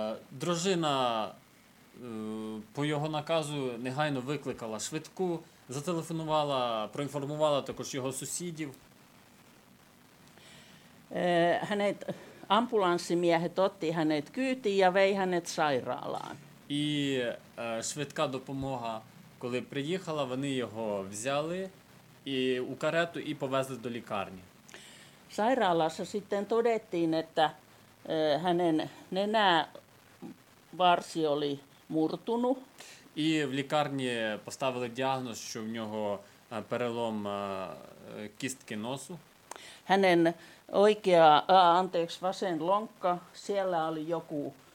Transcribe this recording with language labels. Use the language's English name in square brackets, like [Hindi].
[Ukrainian] Дружина по його наказу негайно викликала швидку, зателефонувала, проінформувала також його сусідів. [Finnish] Hänet ambulanssimiehet otti hänet kyytiin ja vei hänet sairaalaan. [Ukrainian] І швидка допомога, коли приїхала, вони його взяли і у карету і повезли до лікарні. [Finnish] Sairaalassa sitten todettiin, että hänen nenävarsi oli murtunut. [Ukrainian] І в лікарні поставили діагноз, що в нього перелом кістки носу. [Finnish] Hänen oikea, anteeksi, vasen lonkka, siellä oli joku